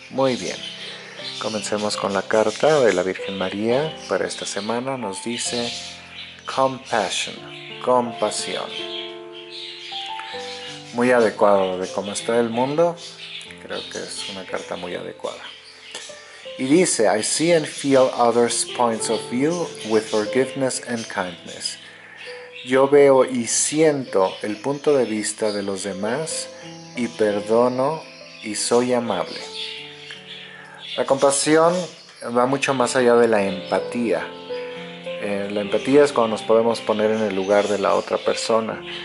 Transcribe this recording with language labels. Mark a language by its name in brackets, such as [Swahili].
[Spanish] Muy bien, comencemos con la carta de la Virgen María para esta semana. Nos dice Compassion, compasión. Muy adecuado de cómo está el mundo, creo que es una carta muy adecuada. Y dice, [English] I see and feel others' points of view with forgiveness and kindness. [Spanish] Yo veo y siento el punto de vista de los demás y perdono y soy amable. La compasión va mucho más allá de la empatía. La empatía es cuando nos podemos poner en el lugar de la otra persona.